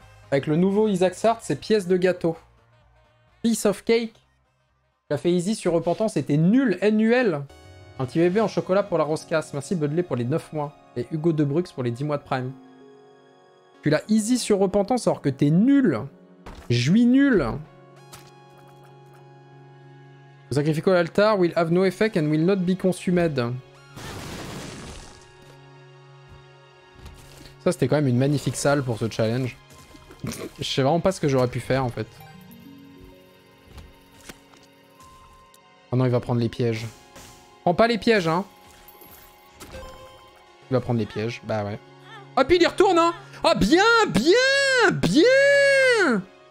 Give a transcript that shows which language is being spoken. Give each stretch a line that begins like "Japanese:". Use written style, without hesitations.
French: Avec le nouveau Isaac Sartre, c'est pièce de gâteau.
English: Piece of cake.
French: Il a fait easy sur Repentance, c'était nul, NUL. Un petit bébé en chocolat pour la Roscasse. Merci Budley pour les 9 mois. Et Hugo Debrux pour les 10 mois de Prime. Tu l'as easy sur Repentance alors que t'es nul. Juis nul.
English: Sacrifico l'altar will have no effect and will not be consumed.
French: Ça, c'était quand même une magnifique salle pour ce challenge. Je sais vraiment pas ce que j'aurais pu faire, en fait. Oh non, il va prendre les pièges. Prends pas les pièges, hein. Il va prendre les pièges, bah ouais. Ah, puis il y retourne, hein. Ah, bien, bien, bien.